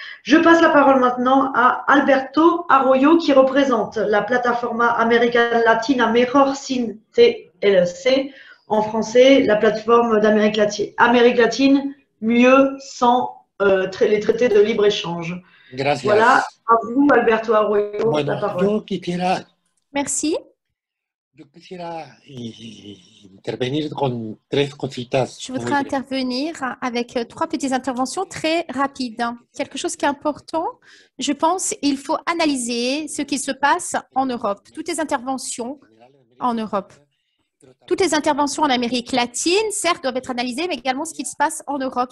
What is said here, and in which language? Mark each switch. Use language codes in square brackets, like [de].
[fr] Je passe la parole maintenant à Alberto Arroyo qui représente la Plataforma América Latina Mejor Sin TLC. En français, la plateforme d'Amérique latine mieux sans les traités de libre-échange. [es] Gracias. [fr] Voilà, à vous Alberto Arroyo, [es] bueno, [fr] la parole. Merci. [es] Yo quisiera intervenir con tres cositas. [fr] Je voudrais intervenir avec trois petites interventions très rapides. Quelque chose qui est important, je pense, il faut analyser ce qui se passe en Europe, toutes les interventions en Europe. Toutes les interventions en Amérique latine, certes, doivent être analysées, mais également ce qui se passe en Europe.